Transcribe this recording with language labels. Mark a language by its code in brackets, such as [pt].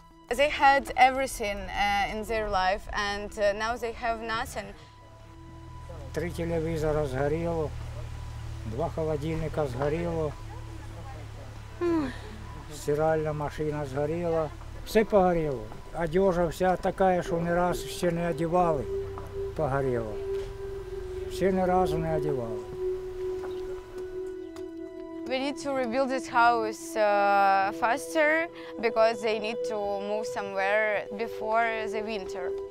[en] They had everything in their life, and now they have nothing. [ru] Три телевизора сгорело, два холодильника сгорело, стиральная машина сгорела. Все погорело. Одежа вся такая, что ни разу все не одевали, погорело. Все ни разу не одевали. [en] We need to rebuild this house faster because they need to move somewhere before the winter.